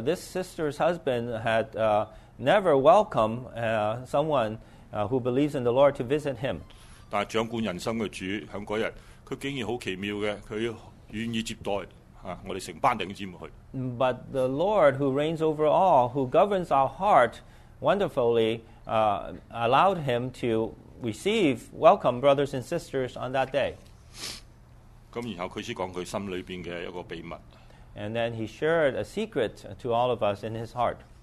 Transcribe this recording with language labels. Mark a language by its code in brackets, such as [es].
[en] this sister's husband had never welcomed someone who believes in the Lord to visit him. [zh] 但掌管人心的主在那天，他竟然很奇妙的，他愿意接待我们整班弟兄姊妹去。But [en] the Lord who reigns over all, who governs our heart wonderfully, allowed him to receive, welcome brothers and sisters on that day. And then he shared a secret to all of us in his heart.